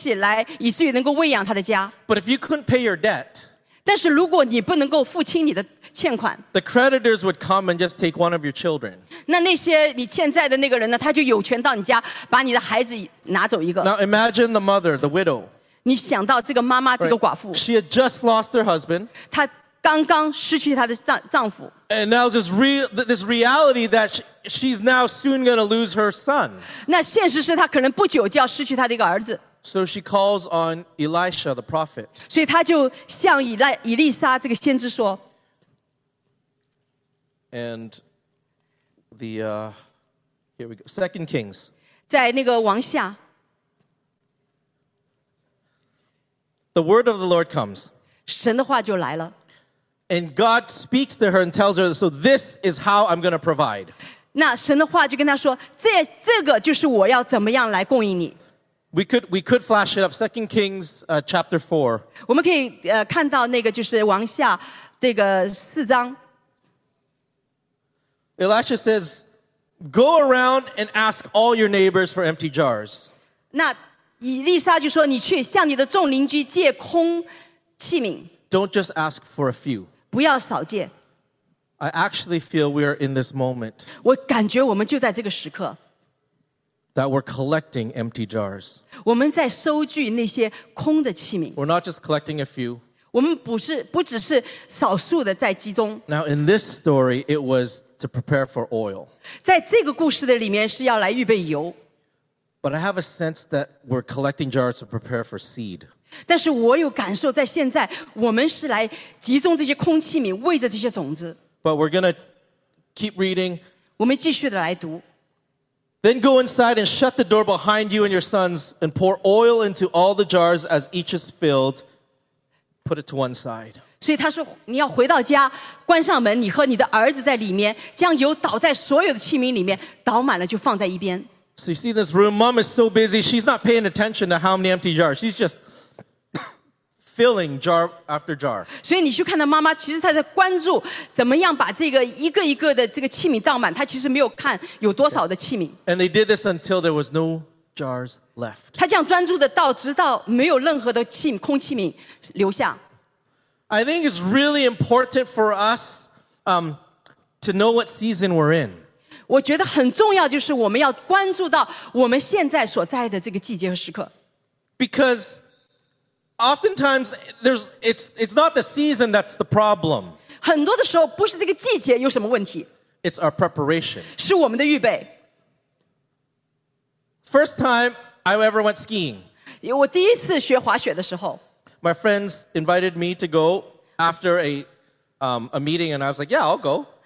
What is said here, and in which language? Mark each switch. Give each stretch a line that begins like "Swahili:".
Chinese: 在那个时候，他们需要借一些东西来，以至于能够喂养他的家。
English: But if you couldn't pay your debt.
Chinese: 但是如果你不能够付清你的欠款，
English: the creditors would come and just take one of your children.
Chinese: 那那些你欠债的那个人呢， 他就有权到你家， 把你的孩子拿走一个。
English: Now imagine the mother, the widow.
Chinese: 你想到这个妈妈，这个寡妇。
English: She had just lost her husband.
Chinese: 刚刚失去她的丈夫。
English: And now this reality that she's now soon going to lose her son.
Chinese: 那现实是她可能不久就要失去她的一个儿子。
English: So she calls on Elisha, the prophet.
Chinese: 所以她就向以利沙这个先知说。
English: And the, here we go, 2 Kings.
Chinese: 在那个王下。
English: The word of the Lord comes.
Chinese: 神的话就来了。
English: And God speaks to her and tells her, so this is how I'm going to provide.
Chinese: 那神的话就跟她说，这个就是我要怎么样来供应你。
English: We could flash it up, 2 Kings chapter 4.
Chinese: 我们可以看到那个就是王下这个四章。
English: Elisha says, go around and ask all your neighbors for empty jars.
Chinese: 那以利沙就说你去向你的众邻居借空器皿。
English: Don't just ask for a few.
Chinese: 不要少借。
English: I actually feel we are in this moment.
Chinese: 我感觉我们就在这个时刻。
English: That we're collecting empty jars.
Chinese: 我们在收据那些空的器皿。
English: We're not just collecting a few.
Chinese: 我们不只是少数的在集中。
English: Now in this story, it was to prepare for oil.
Chinese: 在这个故事的里面是要来预备油。
English: But I have a sense that we're collecting jars to prepare for seed.
Chinese: 但是我有感受在现在我们是来集中这些空器皿喂着这些种子。
English: But we're going to keep reading.
Chinese: 我们继续的来读。
English: Then go inside and shut the door behind you and your sons and pour oil into all the jars as each is filled. Put it to one side.
Chinese: 所以他说你要回到家关上门你和你的儿子在里面将油倒在所有的器皿里面倒满了就放在一边。
English: So you see this room, mom is so busy, she's not paying attention to how many empty jars. She's just filling jar after jar.
Chinese: 所以你去看到妈妈其实她在关注怎么样把这个一个一个的这个器皿倒满她其实没有看有多少的器皿。
English: And they did this until there was no jars left.
Chinese: 她这样专注的倒直到没有任何的器皿空器皿留下。
English: I think it's really important for us to know what season we're in.
Chinese: 我觉得很重要就是我们要关注到我们现在所在的这个季节和时刻。
English: Because oftentimes it's not the season that's the problem.
Chinese: 很多的时候不是这个季节有什么问题。
English: It's our preparation.
Chinese: 是我们的预备。
English: First time I ever went skiing.
Chinese: 我第一次学滑雪的时候。
English: My friends invited me to go after a meeting and I was like, yeah, I'll go.